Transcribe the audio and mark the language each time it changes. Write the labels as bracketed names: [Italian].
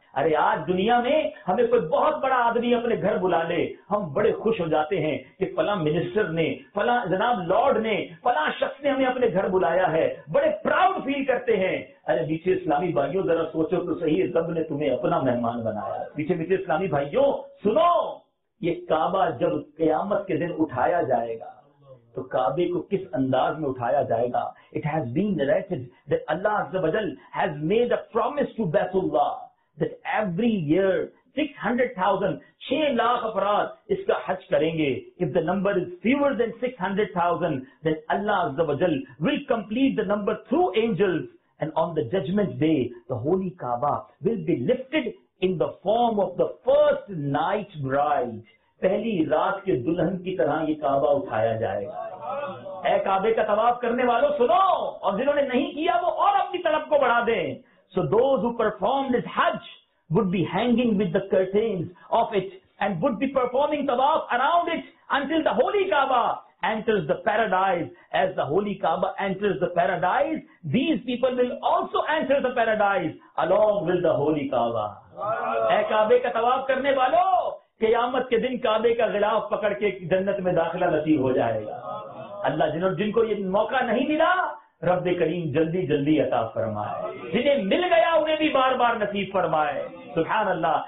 [Urdu] ارے آج دنیا میں ہمیں کوئی بہت بڑا آدمی اپنے گھر بلا لے, ہم بڑے خوش ہو جاتے ہیں کہ فلاں منسٹر نے, فلاں جناب لارڈ نے, فلاں شخص نے ہمیں اپنے گھر بلایا ہے, بڑے پراؤڈ فیل کرتے ہیں. ارے میٹھے اسلامی بھائیوں ذرا سوچو تو صحیح, رب نے تمہیں اپنا مہمان بنایا. میٹھے میٹھے اسلامی بھائیوں سنو, یہ کعبہ جب قیامت کے دن اٹھایا جائے گا تو کعبے کو کس انداز میں اٹھایا جائے گا. [English] It has been narrated that Allah عز و جل has made a promise to بیت اللہ that every year 600,000, 6 lakh [Urdu] افراد اس کا حج کریں گے. [English] If the number is fewer than 600,000, then Allah عز و جل will complete the number through angels, and on the judgment day, the holy Kaaba will be lifted in the form of the first night bride. [Urdu] پہلی رات کے دلہن کی طرح یہ کعبہ اٹھایا جائے گا. اے کعبے کا طواف کرنے والوں سنو, اور جنہوں نے نہیں کیا وہ اور اپنی طلب کو بڑھا دیں. [English] So those who performed this Hajj would be hanging with the curtains of it and would be performing tawaf around it until the Holy Kaaba enters the paradise. As the Holy Kaaba enters the paradise, these people will also enter the paradise along with the Holy Kaaba. [Urdu] اے کعبے کا طواف کرنے والوں, قیامت کے دن کعبے کا غلاف پکڑ کے جنت میں داخلہ نصیب ہو جائے گا. اللہ جن کو یہ موقع نہیں ملا, رب کریم جلدی جلدی عطا فرمائے, جنہیں مل گیا انہیں بھی بار بار نصیب فرمائے. سبحان اللہ.